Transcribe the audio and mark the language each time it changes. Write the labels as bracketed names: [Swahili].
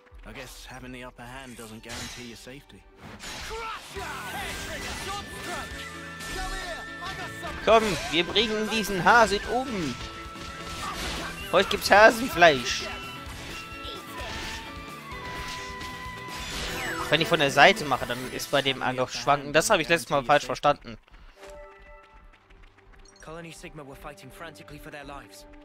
[English] I guess having the upper hand doesn't guarantee your safety. [German] Komm, wir bringen diesen Hase um. Heute gibt's Hasenfleisch. Auch wenn ich von der Seite mache, dann ist bei dem Angriff schwanken. Das habe ich letztes Mal falsch verstanden. [English] Colony Sigma were fighting frantically for their lives.